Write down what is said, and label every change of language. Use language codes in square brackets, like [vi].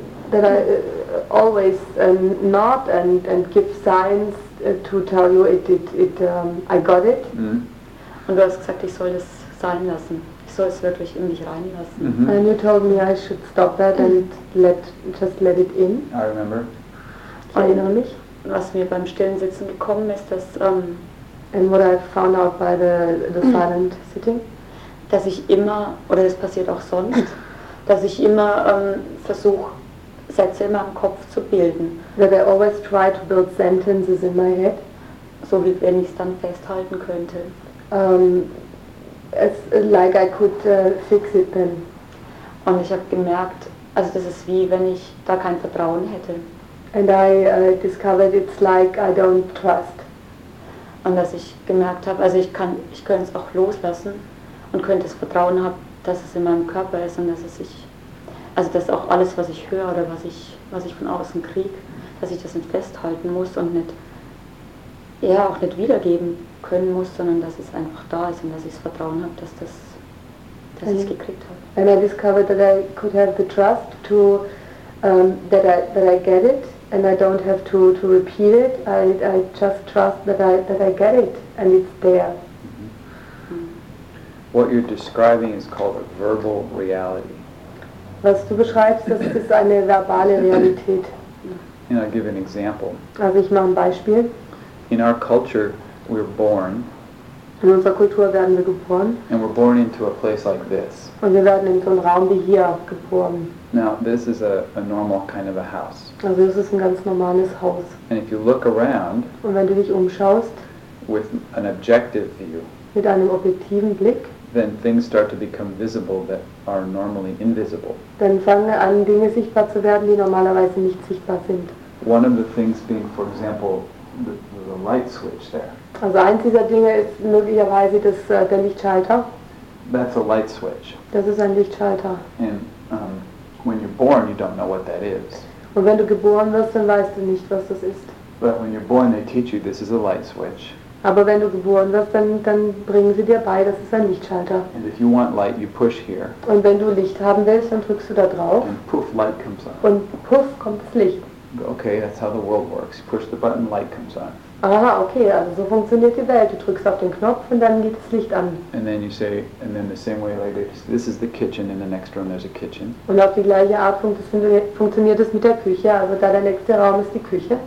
[en] That I always nod and give signs to tell you it I got it. Mm-hmm. [de] Und du hast gesagt, ich soll das sein lassen. Ich soll es wirklich in mich reinlassen. Mm-hmm. [en] And you told me I should stop that mm-hmm. and just let it in. I remember. [de] Erinnere mich. Was mir beim stillen Sitzen gekommen ist, dass [en] and what I found out by the silent sitting, [de] dass ich immer, oder das passiert auch sonst, dass ich immer versuche, Sätze in meinem Kopf zu bilden. [en] That I always try to build sentences in my head, [de] so wie wenn ich es dann festhalten könnte. [en] It's like I could fix it then. [de] Und ich habe gemerkt, also das ist wie wenn ich da kein Vertrauen hätte. [en] And I discovered it's like I don't trust. [de] Und dass ich gemerkt habe, also ich könnte es auch loslassen und könnte das Vertrauen haben, dass es in meinem Körper ist und dass es sich, also dass auch alles, was ich höre oder was ich von außen kriege, dass ich das nicht festhalten muss und nicht, ja, auch nicht wiedergeben können muss, sondern dass es einfach da ist und dass ich das Vertrauen habe, dass ich es gekriegt habe. [en] And I discovered that I could have the trust to that I get it and I don't have to repeat it. I just trust that I get it and it's there. Mm-hmm. What you're describing is called a verbal reality. [de] Was du beschreibst, das ist eine verbale Realität. [en] And I'll give an example. [de] Also ich mache ein Beispiel. [en] In our culture, we're born. [de] In unserer Kultur werden wir geboren. [en] And we're born into a place like this. [de] Und wir werden in so einen Raum wie hier geboren. [en] Now this is a normal kind of a house. [de] Also das ist ein ganz normales Haus. [en] And if you look around, [de] und wenn du dich umschaust, [en] with an objective view, [de] mit einem objektiven Blick, [en] then things start to become visible that are normally invisible. [de] Dann fangen an, Dinge sichtbar zu werden, die normalerweise nicht sichtbar sind. [en] One of the things being, for example, the light switch there. [de] Also eins dieser Dinge ist möglicherweise das, der Lichtschalter. [en] That's a light switch. [de] Das ist ein Lichtschalter. [en] And when you're born, you don't know what that is. [de] Und wenn du geboren wirst, dann weißt du nicht, was das ist. [en] But when you're born, they teach you this is a light switch. [de] Aber wenn du geboren wirst, dann bringen sie dir bei, das ist ein Lichtschalter. [en] And if you want light, you push here. [de] Und wenn du Licht haben willst, dann drückst du da drauf. [en] And poof, light comes on. [de] Und puff, kommt das Licht. [en] Okay, that's how the world works. You push the button, light comes on. [de] Aha, okay, also so funktioniert die Welt. Du drückst auf den Knopf und dann geht das Licht an. [en] And then you say, and then the same way later, this is the kitchen, in the next room there's a kitchen. [de] Und auf die gleiche Art funktioniert es mit der Küche. Also da der nächste Raum ist die Küche.